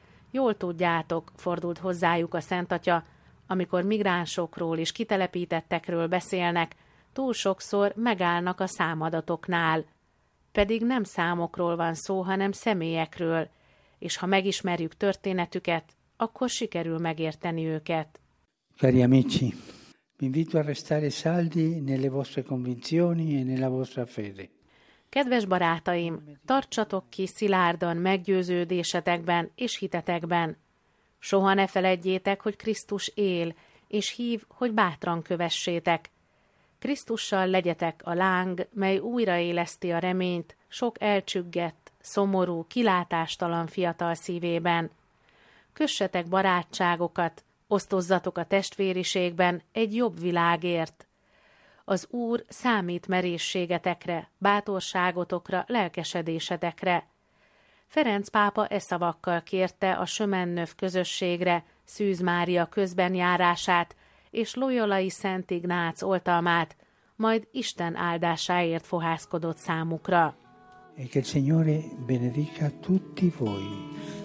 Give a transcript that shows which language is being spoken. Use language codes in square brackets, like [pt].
[hu] Jól tudjátok, fordult hozzájuk a Szentatya, amikor migránsokról és kitelepítettekről beszélnek, túl sokszor megállnak a számadatoknál. Pedig nem számokról van szó, hanem személyekről, és ha megismerjük történetüket, akkor sikerül megérteni őket. [it] Cari amici, vi invito a restare saldi nelle vostre convinzioni e nella vostra fede. [hu] Kedves barátaim, tartsatok ki szilárdan meggyőződésetekben és hitetekben. Soha ne feledjétek, hogy Krisztus él, és hív, hogy bátran kövessétek. Krisztussal legyetek a láng, mely újraéleszti a reményt, sok elcsüggett, szomorú, kilátástalan fiatal szívében. Kössetek barátságokat, osztozzatok a testvériségben egy jobb világért. Az Úr számít merészségetekre, bátorságotokra, lelkesedésetekre. Ferenc pápa e szavakkal kérte a Sömennöv közösségre Szűz Mária közben járását és Loyolai Szent Ignác oltalmát, majd Isten áldásáért fohászkodott számukra. [it] E che il Signore benedica tutti voi.